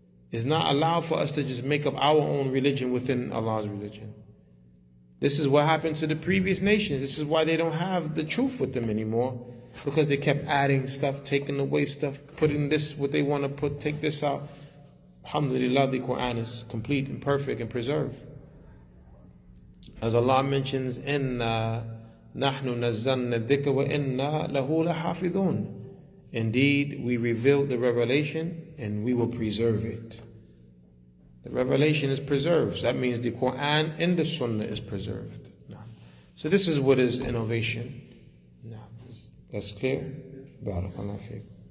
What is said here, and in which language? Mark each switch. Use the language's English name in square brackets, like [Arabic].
[English] It's not allowed for us to just make up our own religion within Allah's religion. This is what happened to the previous nations. This is why they don't have the truth with them anymore. Because they kept adding stuff, taking away stuff, putting this, what they want to put, take this out. Alhamdulillah, the Qur'an is complete and perfect and preserved. As Allah mentions, [Arabic] نَحْنُ نَزَّلْنَا الذِّكْرَ وَإِنَّا لَهُ لَحَافِظُونَ. [English] Indeed, we revealed the revelation and we will preserve it. The revelation is preserved. That means the Qur'an and the Sunnah is preserved. So this is what is innovation. That's clear? Barakallahu feek.